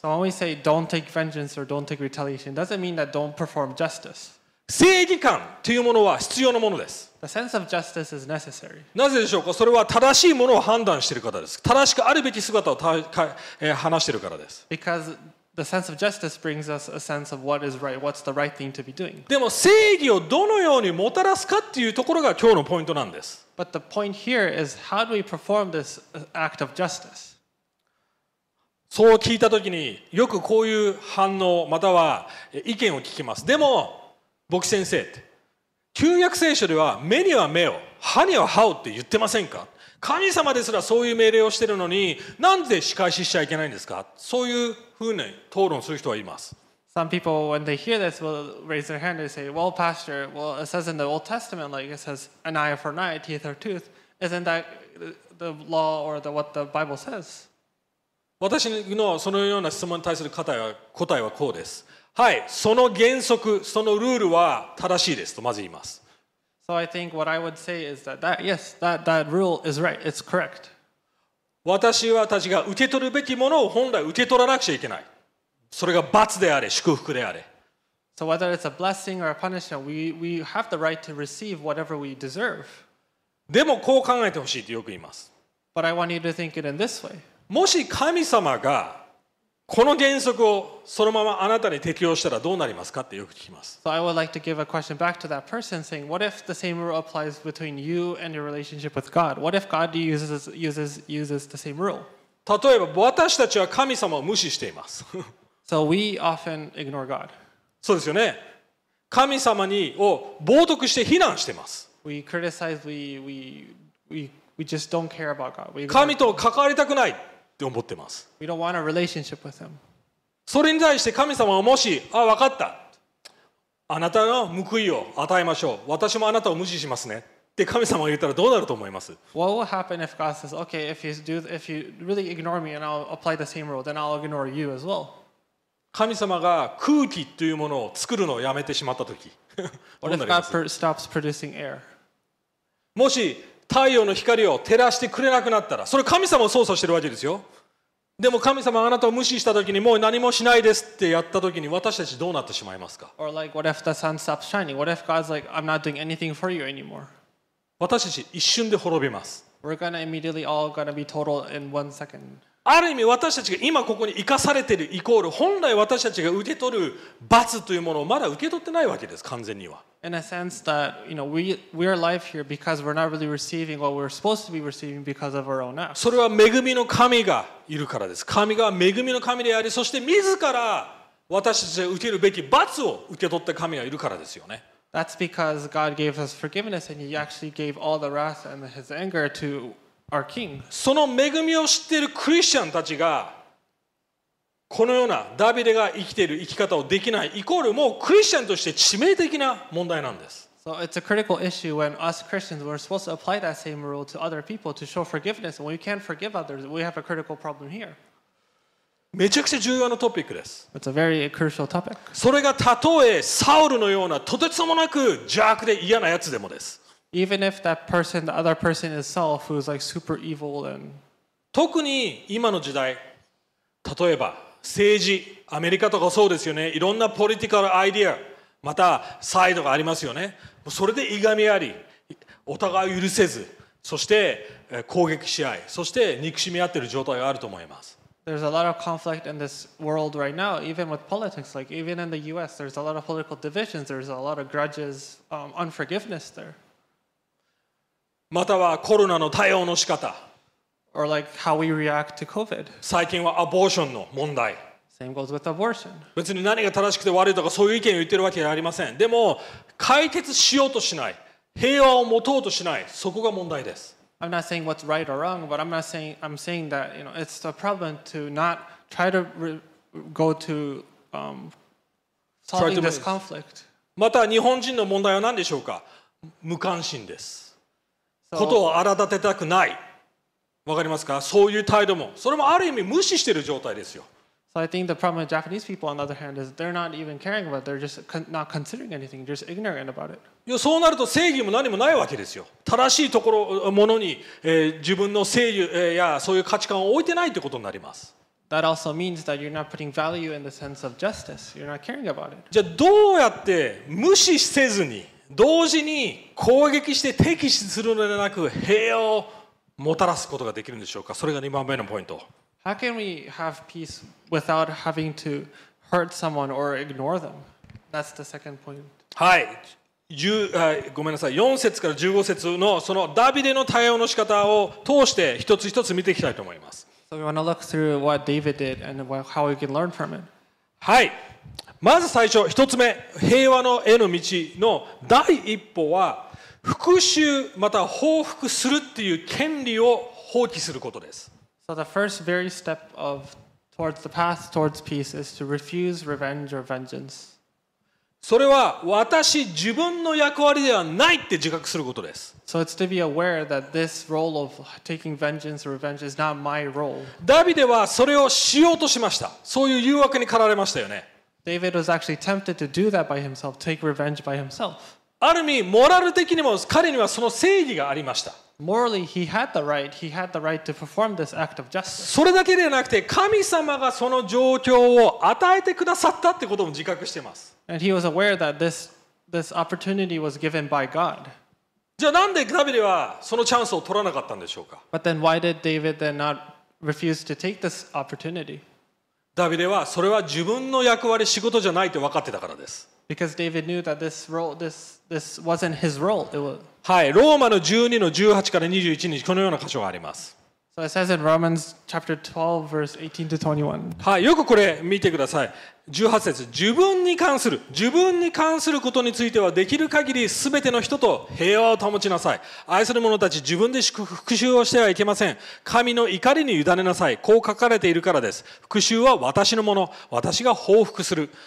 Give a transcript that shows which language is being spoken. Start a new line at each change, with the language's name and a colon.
English: So when we say don't take vengeance or don't take retaliation, doesn't mean that don't perform justice.
Japanese: 正義感というものは必要なものです。
English: The sense of justice is necessary.
Japanese: なぜでしょうか。それは正しいものを判断してるからです。正しくあるべき姿を話してるからです。
English: Because the sense of justice brings us a sense of what is right, what's the right thing to be doing.
Japanese: でも正義をどのようにもたらすかっていうところが今日のポイントなんです。
English: But the point here is how do we perform this act of justice?
Japanese: そう聞いたときによくこういう反応または意見を聞きます。でも牧師先生、旧約聖書では目には目を、歯には歯をって言ってませんか？神様ですらそういう命令をしているのに、なんで仕返ししちゃいけないんですか？そういうふうに討論する人はいます。
English: Some people when they hear this will raise their hand and say, "Well, pastor, well, it says in the Old Testament, like it says, an eye for an eye, teeth for a tooth. Isn't that the law or the what the Bible says?"
Japanese: 私のそのような質問に対する答えはこうです。はい、その原則、そのルールは正しいですとまず言います。
English: So I think what I would say is that, that yes, that rule is right. It's correct.
Japanese: 私はたちが受け取るべきものを本来受け取らなくちゃいけない。それが罰であれ、祝福であれ。
English: So whether it's a blessing or a punishment, we have the right to receive whatever we deserve.
Japanese: でもこう考えてほしいとよく言います。
English: But I want you to think it in this way.
Japanese: もし神様がこの原則をそのままあなたに適用したらどうなりますかってよく聞きます。
English: So I would like to give a question back to that person saying, what if the same rule applies between you and your relationship with God? What if God uses the same rule?
Japanese: 例えば私たちは神様を無視しています。
English: So we often ignore God.
Japanese: そうですよね。神様にを冒涜して非難しています。
English: We criticize, we just don't care about God.
Japanese: 神と関わりたくないって思ってます。
English: We don't want a relationship with him.
Japanese: それに対して神様はもし、あ、分かった。あなたの報いを与えましょう。私もあなたを無視しますね。って神様が言ったらどうなると思います？
English: What will happen if God says, okay, if you really ignore me and I'll apply the same rule, then I'll ignore you as well.
Japanese: 神様が空気というものを作るのをやめてしまったとき。
English: What if God stops producing air?
Japanese: もし太陽の光を照らしてくれなくなったら、それ神様を操作してるわけですよ。でも神様があなたを無視したときにもう何もしないですってやったときに私たちどうなってしまいますか？
English: Or like, what if the sun stops shining? What if God's like, I'm not doing anything for you anymore?
Japanese: 私たち一瞬で滅びます。
English: We're gonna immediately all gonna be total in one second.
Japanese: ある意味私たちが今ここに生かされているイコール本来私たちが受け取る罰というものをまだ受け取ってないわけです、完全には。
English: In a sense that, you know, we are alive here because we're not really receiving what we're supposed to be receiving because of our own acts.
Japanese: それは恵みの神がいるからです。神が恵みの神であり、そして自ら私たちが受けるべき罰を受け取った神がいるからですよね。
English: That's because God gave us forgiveness and He actually gave all the wrath and His anger to our King.
Japanese: その恵みを知っているクリスチャンたちがこのようなダビデが生きている生き方をできないイコールもうクリスチャンとして致命的な問題なんです。
English: So it's a critical issue when us Christians were supposed to apply that same rule to other people to show forgiveness. When we can't forgive others, we have a critical problem here.
Japanese: めちゃくちゃ重要なトピックです。
English: It's a very crucial topic.
Japanese: それがたとえサウルのようなとてつもなく邪悪で嫌なやつでもです。
English: Even if that person, the other person is Saul, who's like super evil and
Japanese: 特に今の時代、例えば政治、アメリカとかそうですよね。いろんなポリティカルアイディア、またサイドがありますよね。それでいがみあり、お互いを許せず、そして攻撃し合い、そして憎しみ合っている状態があると思います。
English: There's a lot of conflict in this world right now, even with politics. Like even in the U.S., there's a lot of political divisions. There's a lot of grudges, unforgiveness there.
Japanese: またはコロナの対応の仕方。
English: Or like how we react to COVID.
Japanese: 最近はアボーションの問題。
English: Same goes with abortion.
Japanese: 別に何が正しくて悪いとかそういう意見を言ってるわけではありません。でも解決しようとしない、平和を持とうとしない、そこが問題です。
English: I'm not saying what's right or wrong, but I'm saying that, you know, it's a problem to not try to go to solving this conflict.
Japanese: また日本人の問題は何でしょうか？無関心です。ことを荒立てたくない。わかりますか？そういう態度も、それもある意味無視している状態ですよ。
English: So I think the problem with Japanese people, on the other hand, is they're not even caring about it. They're just not considering anything. They're just ignorant about it.
Japanese: そうなると正義も何もないわけですよ。正しいところものに、自分の正義、やそういう価値観を置いてないということになります。
English: That also means that you're not putting value in the sense of justice. You're not caring about it.
Japanese: じゃあどうやって無視せずに、同時に攻撃して敵視するのではなく平和をもたらすことができるんでしょうか。それが2番目のポイント。
English: How can we have peace without having to hurt someone or ignore them? That's the second point.
Japanese: はい。ごめんなさい。 4節から15節のそのダビデの対応の仕方を通して一つ一つ見ていきたいと思います。
English: So we want to look through what David did and how we can learn from it.
Japanese: はい。まず最初、一つ目、平和の絵の道の第一歩は復讐また報復するっていう権利を放棄することです。
English: So the first very step of towards the path towards peace is to refuse revenge or vengeance.
Japanese: それは私自分の役割ではないって自覚することです。
English: So it's to be aware that this role of taking vengeance or revenge is not my role.
Japanese: ダビデはそれをしようとしました。そういう誘惑に駆られましたよね。
English: David was actually tempted to do that by himself, take revenge by himself.
Japanese: ある意味モラル的にも彼にはその正義がありました。
English: Morally, he had the right. He had the right to perform this act of justice.
Japanese: それだけではなくて、神様がその状況を与えてくださったってことも自覚しています。
English: And he was aware that this opportunity was given by God.
Japanese: じゃあなんでダビデはそのチャンスを取らなかったんでしょうか。
English: But then why did David then not refuse to take this opportunity?
Japanese: ダビデはそれは自分の役割仕事じゃないって分かってたからです。
English: Because David knew that this role, this wasn't his role. It was.
Japanese: はい、ローマの12の18から21にこのような箇所があります。
English: So it says in Romans chapter 12, verse 18 to 21.
Japanese: はい、よくこれ見てください。18節、自分に関することについてはできる限りすべての人と平和を保ちなさい。愛する者たち、自分で復讐をしてはいけません。神の怒りに委ねなさい。こう書かれているからです。復讐は私のもの、私が報復する。